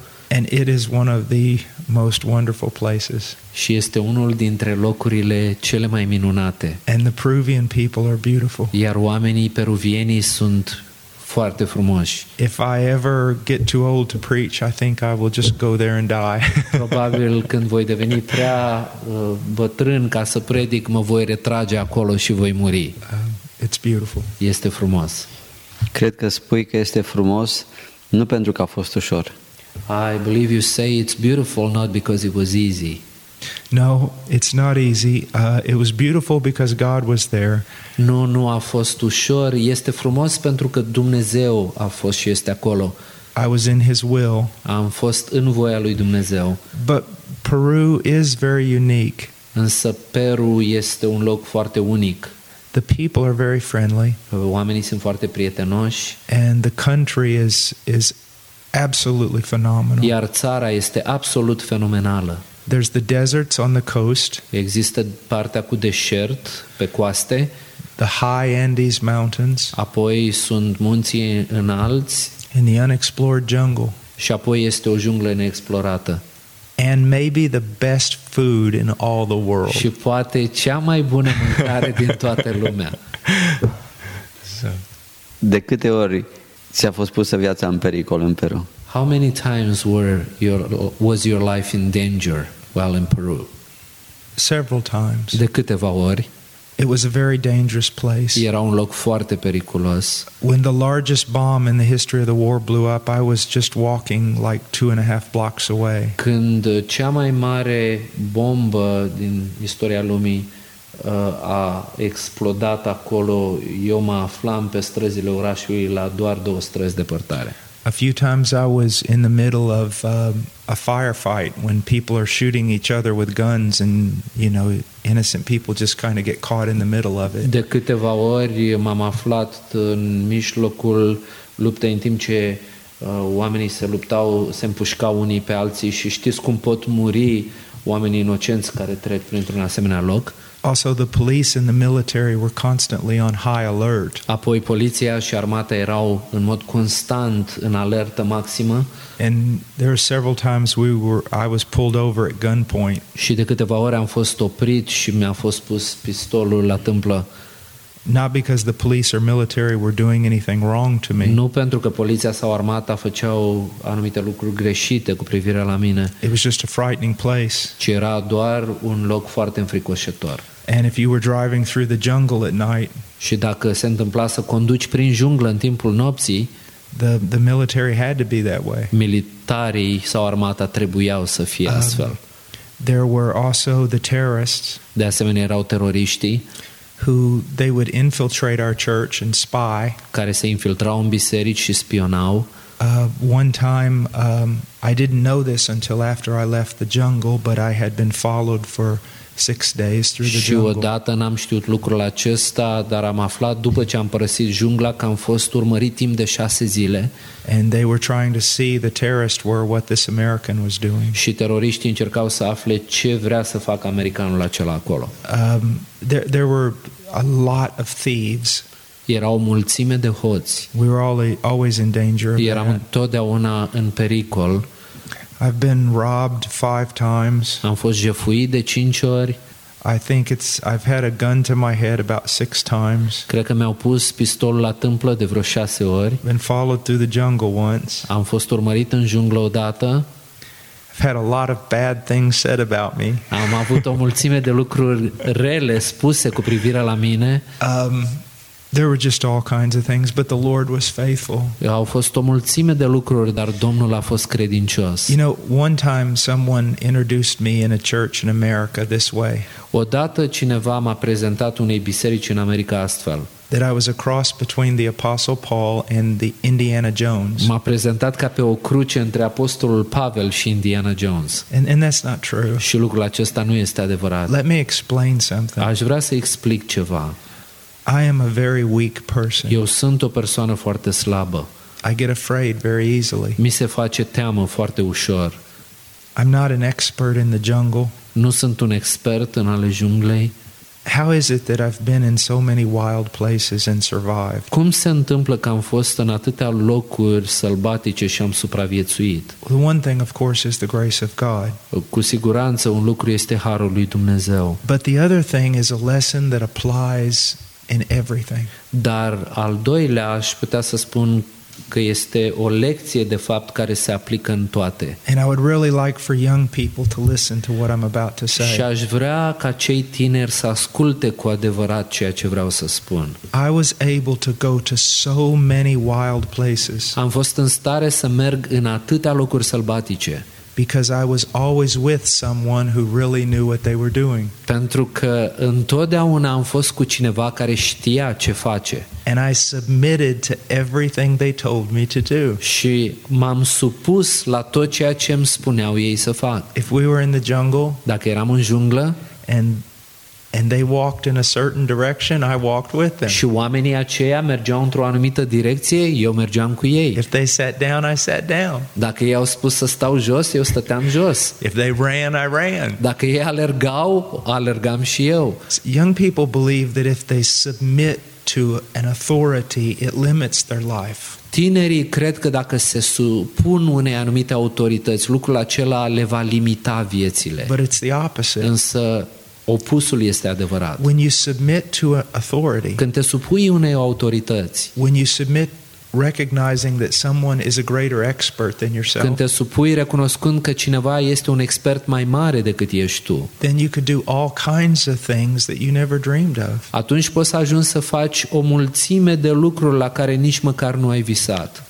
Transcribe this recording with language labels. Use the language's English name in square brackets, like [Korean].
[English] And it is one of the most wonderful places. [Romanian] Și este unul dintre locurile cele mai minunate. [English] And the Peruvian people are beautiful. [Romanian] Iar oamenii peruvieni sunt foarte frumoși. [English] If I ever get too old to preach, I think I will just go there and die. [Romanian] Probabil când voi deveni prea bătrân ca să predic, mă voi retrage acolo și voi muri. [English] It's beautiful. [Romanian] Este frumos. Cred că spui că este frumos, nu pentru că a fost ușor. [English] I believe you say it's beautiful not because it was easy. No, it's not easy. It was beautiful because God was there. [Romanian] Nu a fost ușor. Este frumos pentru că Dumnezeu a fost și este acolo. [English] I was in His will. [Romanian] Am fost în voia lui Dumnezeu. [English] But Peru is very unique. [Romanian] Însă Peru este un loc foarte unic. [English] The people are very friendly. [Romanian] Oamenii sunt foarte prietenoși. [English] And the country is absolutely phenomenal. [Romanian] Iar țara este absolut fenomenală. [English] There's the deserts on the coast. [Romanian] Există partea cu deșert pe coaste. [English] The high Andes mountains. [Romanian] Apoi sunt munții înalți. [English] And the unexplored jungle. [Romanian] Și apoi este o junglă neexplorată. [English] And maybe the best food in all the world. [Romanian] Și poate cea mai bună mâncare din toată lumea. [English] So. [Romanian] De câte ori ți-a fost pusă viața în pericol în Peru? [English] How many times was your life in danger while in Peru? Several times. [Romanian] De câteva ori. [English] It was a very dangerous place. [Romanian] Era un loc foarte periculos. [English] When the largest bomb in the history of the war blew up, I was just walking like 2.5 blocks away. [Romanian] Când cea mai mare bombă din istoria lumii a explodat acolo, eu mă aflam pe străzile orașului la doar două străzi depărtare. [English] A few times I was in the middle of a firefight when people are shooting each other with guns and, you know, innocent people just kind of get caught in the middle of it. [Romanian] De câteva ori m-am aflat în mijlocul luptei în timp ce oamenii se luptau, se împușcau unii pe alții și știți cum pot muri oamenii inocenți care trec printr-un asemenea loc. [English] Also, the police and the military were constantly on high alert. [Romanian] Apoi, poliția și armata erau în mod constant în alertă maximă. [English] And there are several times I was pulled over at gunpoint. [Romanian] Și de câteva ori am fost oprit și mi-a fost pus pistolul la tâmplă. [English] Not because the police or military were doing anything wrong to me. [Romanian] Nu pentru că poliția sau armata făceau anumite lucruri greșite cu privire la mine. [English] It was just a frightening place. [Romanian] Ci era doar un loc foarte înfricoșător. [English] And if you were driving through the jungle at night, [Romanian] și dacă se întâmpla să conduci prin junglă în timpul nopții, [English] the military had to be that way. [Romanian] Militarii sau armata trebuiau să fie astfel. [English] There were also the terrorists. [Romanian] De asemenea erau teroriștii. [English] Who they would infiltrate our church and spy. [Romanian] Care se infiltrau în biserici și spionau. [English] One time, I didn't know this until after I left the jungle, but I had been followed for 6 days through the jungle. [Romanian] Și odată n-am știut lucrul acesta, dar am aflat după ce am părăsit jungla că am fost urmărit timp de 6 zile. [English] And they were trying to see the terrorists were what this American was doing. [Romanian] Și teroriștii încercau să afle ce vrea să facă americanul acela acolo. [English] There were a lot of thieves. [Romanian] Erau o mulțime de hoți. [English] We were always in danger of that. [Romanian] Eram întotdeauna în pericol. [English] I've been robbed 5 times. [Romanian] Am fost jefuit de 5 ori. [English] I think I've had a gun to my head about 6 times. [Romanian] Cred că mi-au pus pistolul la tâmplă de vreo 6 ori. [English] Been followed through the jungle once. [Romanian] Am fost urmărit în junglă odată. [English] I've had a lot of bad things said about me. [Romanian] Am avut o mulțime de lucruri rele spuse cu privire la mine. [English] There were just all kinds of things, but the Lord was faithful. [Romanian] Au fost o mulțime de lucruri, dar Domnul a fost credincios. [English] You know, one time someone introduced me in a church in America this way. [Romanian] Odată cineva m-a prezentat unei biserici în America astfel. [English] That I was a cross between the Apostle Paul and the Indiana Jones. [Romanian] M-a prezentat ca pe o cruce între Apostolul Pavel și Indiana Jones. [English] And that's not true. [Romanian] Și lucrul acesta nu este adevărat. [English] Let me explain something. [Romanian] Aș vrea să explic ceva. [English] I am a very weak person. [Romanian] Eu sunt o persoană foarte slabă. [English] I get afraid very easily. [Romanian] Mi se face teamă foarte ușor. [English] I'm not an expert in the jungle. [Romanian] Nu sunt un expert în ale junglei. [English] How is it that I've been in so many wild places and survived? [Romanian] Cum se întâmplă că am fost în atâtea locuri sălbatice și am supraviețuit? [English] The one thing, of course, is the grace of God. [Romanian] Cu siguranță un lucru este harul lui Dumnezeu. [English] But the other thing is a lesson that applies in everything. [Romanian] Dar al doilea aș putea să spun că este o lecție de fapt care se aplică în toate. [English] And I would really like for young people to listen to what I'm about to say. [Romanian] Și aș vrea ca cei tineri să asculte cu adevărat ceea ce vreau să spun. [English] I was able to go to so many wild places. [Romanian] Am fost în stare să merg în atâtea locuri sălbatice. [English] Because I was always with someone who really knew what they were doing. [Romanian] Pentru că întotdeauna am fost cu cineva care știa ce face. [English] And I submitted to everything they told me to do. [Romanian] Și m-am supus la tot ceea ce îmi spuneau ei să fac. [English] If we were in the jungle, [Romanian] dacă eram în junglă, [English] and they walked in a certain direction, I walked with them. [Romanian] Și oamenii aceia mergeau într-o anumită direcție, eu mergeam cu ei. [English] If they sat down, I sat down. [Romanian] Dacă ei au spus să stau jos, eu stăteam jos. [English] If they ran, I ran. [Romanian] Dacă ei alergau, alergam și eu. [English] Young people believe that if they submit to an authority, it limits their life. [Romanian] Tinerii cred că dacă se supun unei anumite autorități, lucrul acela le va limita viețile. [English] But it's the opposite. [Romanian] Însă opusul este adevărat. [English] When you submit to an authority, [Romanian] când te supui unei autorități, [English] when you submit recognizing that someone is a greater expert than yourself, [Romanian] când te supui recunoscând că cineva este un expert mai mare decât ești tu, [English] then you could do all kinds of things that you never dreamed of. [Romanian] Atunci poți ajunge să faci o mulțime de lucruri la care nici măcar nu ai visat.